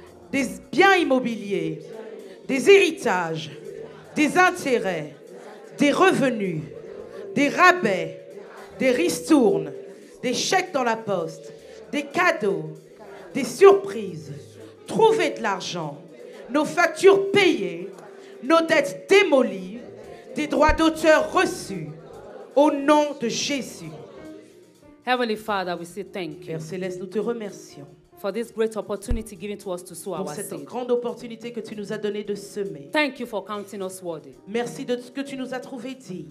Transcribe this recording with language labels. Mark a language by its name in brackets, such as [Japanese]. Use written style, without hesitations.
[French] des biens immobiliers, des héritages, des intérêts, des revenus, des rabais, des ristournes, des chèques dans la poste, des cadeaux, des surprises, trouver de l'argent, nos factures payées, nos dettes démolies, des droits d'auteur reçus, au nom de Jésus. [English] Heavenly Father, we say thank you. [French] Père Céleste, nous te remercions. [English] For this great opportunity given to us to sow our seed. [French] Pour cette grande opportunité que tu nous as donné de semer. [English] Thank you for counting us worthy. [French] Merci de ce que tu nous as trouvé dit.